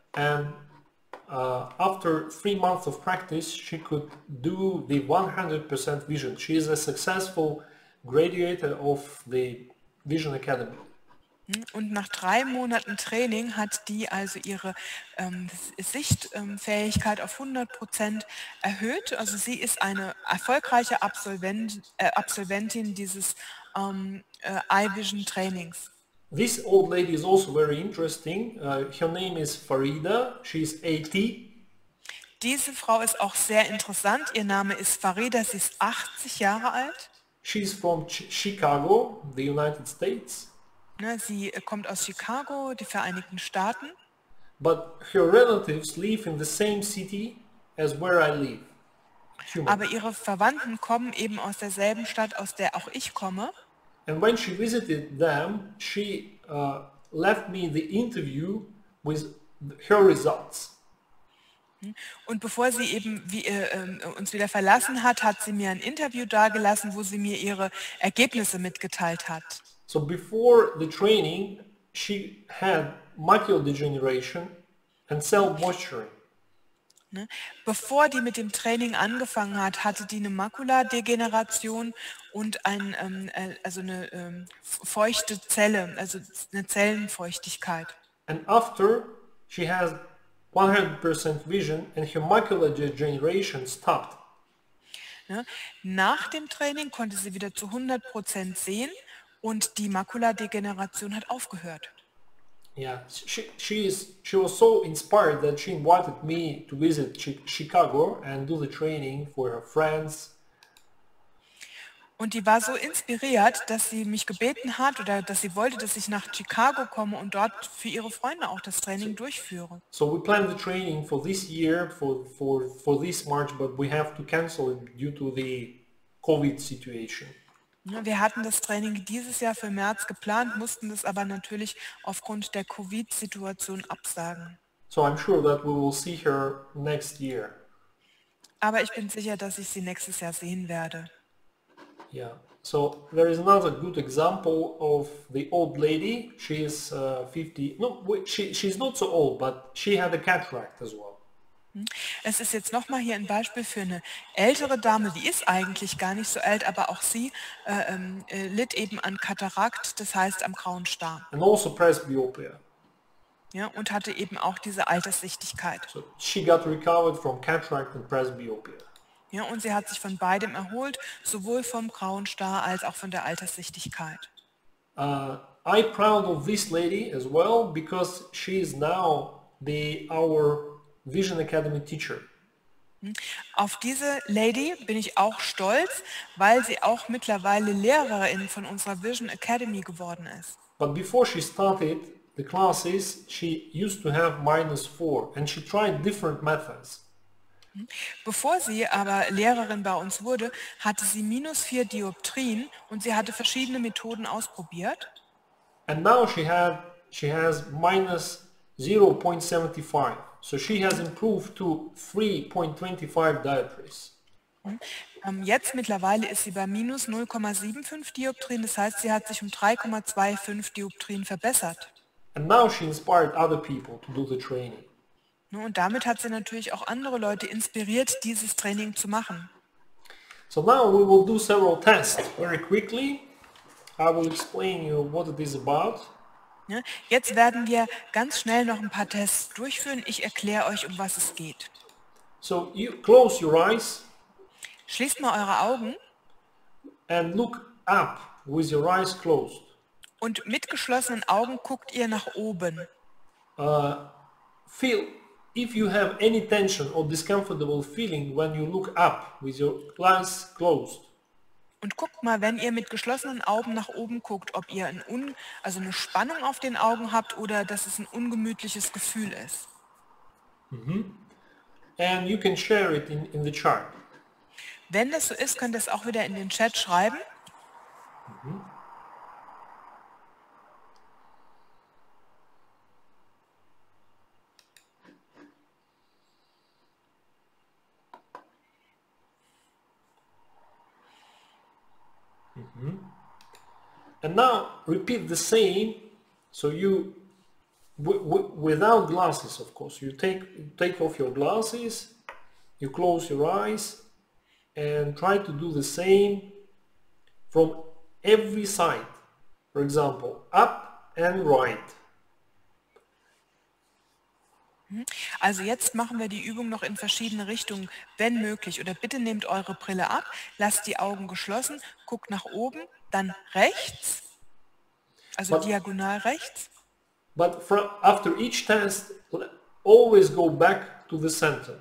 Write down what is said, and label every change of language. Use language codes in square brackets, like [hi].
[en] And after 3 months of practice, she could do the 100% vision. She is a successful graduate of the Vision Academy. [de] Und nach 3 Monaten Training hat die also ihre Sichtfähigkeit auf 100% erhöht. Also sie ist eine erfolgreiche Absolventin dieses Eye Vision Trainings. [en] This old lady is also very interesting. Her name is Farida. She is 80. [de] Diese Frau ist auch sehr interessant. Ihr Name ist Farida. Sie ist 80 Jahre alt. [en] She is from Chicago, the United States. [de] Sie kommt aus Chicago, die Vereinigten Staaten. [en] But her relatives live in the same city as where I live. Human. [de] Aber ihre Verwandten kommen eben aus derselben Stadt, aus der auch ich komme. [en] And when she visited them, she left me the interview with her results. [de] Und bevor sie eben uns wieder verlassen hat, hat sie mir ein Interview dargelassen, wo sie mir ihre Ergebnisse mitgeteilt hat. [en] So before the training, she had macular degeneration and cell moisturing. [de] Bevor die mit dem Training angefangen hat, hatte die eine Makuladegeneration und ein, also eine feuchte Zelle, also eine Zellenfeuchtigkeit. [en] And after, she has 100% vision and her macular degeneration stopped. [de] Nach dem Training konnte sie wieder zu 100% sehen. Und die Makuladegeneration hat aufgehört. [en] Yeah, she was so inspired that she invited me to visit Chicago and do the training for her friends. [de] Und die war so inspiriert, dass sie mich gebeten hat oder dass sie wollte, dass ich nach Chicago komme und dort für ihre Freunde auch das Training durchführe. [en] So we planned the training for this year, for this March, but we have to cancel it due to the COVID situation. [de] Wir hatten das Training dieses Jahr für März geplant, mussten es aber natürlich aufgrund der Covid-Situation absagen. [en] So I'm sure that we will see her next year. [de] Aber ich bin sicher, dass ich sie nächstes Jahr sehen werde. [en] Yeah. So there is another good example of the old lady. She is 50. No, she's not so old, but she had a cataract as well. [de] Es ist jetzt nochmal hier ein Beispiel für eine ältere Dame, die ist eigentlich gar nicht so alt, aber auch sie litt eben an Katarakt, das heißt am grauen Star. [en] And also presbyopia. [de] Ja, und hatte eben auch diese Alterssichtigkeit. [en] So she got recovered from cataract and presbyopia. [de] Ja, und sie hat sich von beidem erholt, sowohl vom grauen Star als auch von der Alterssichtigkeit. [en] I'm proud of this lady as well, because she is now the our Vision Academy teacher. [de] Auf diese Lady bin ich auch stolz, weil sie auch mittlerweile Lehrerin von unserer Vision Academy geworden ist. [en] But before she started the classes, she used to have -4 and she tried different methods. [de] Bevor sie aber Lehrerin bei uns wurde, hatte sie -4 Dioptrien und sie hatte verschiedene Methoden ausprobiert. [en] And now she has -0.75. So she has improved to 3.25 dioptries. [de] Jetzt mittlerweile ist sie bei -0.75 Dioptrien, das heißt, sie hat sich um 3.25 Dioptrien verbessert. [en] And now she inspired other people to do the training. [de] Und damit hat sie natürlich auch andere Leute inspiriert, dieses Training zu machen. [en] So now we will do several tests very quickly. I will explain you what it is about. [de] Jetzt werden wir ganz schnell noch ein paar Tests durchführen. Ich erkläre euch, um was es geht. [en] So you close your eyes. [de] Schließt mal eure Augen. [en] And look up with your eyes closed. [de] Und mit geschlossenen Augen guckt ihr nach oben. [en] Feel If you have any tension or discomfortable feeling when you look up with your eyes closed. [de] Und guckt mal, wenn ihr mit geschlossenen Augen nach oben guckt, ob ihr eine Spannung auf den Augen habt oder dass es ein ungemütliches Gefühl ist. Mm-hmm. [en] And you can share it in the chat. [de] Wenn das so ist, könnt ihr es auch wieder in den Chat schreiben. Mm-hmm. [en] And now repeat the same, so you without glasses, of course, you take off your glasses, you close your eyes and try to do the same from every side, for example, up and right. [de] Also jetzt machen wir die Übung noch in verschiedene Richtungen, wenn möglich. Oder bitte nehmt eure Brille ab, lasst die Augen geschlossen, guckt nach oben, dann rechts, also diagonal rechts. [en] But after each test, always go back to the center.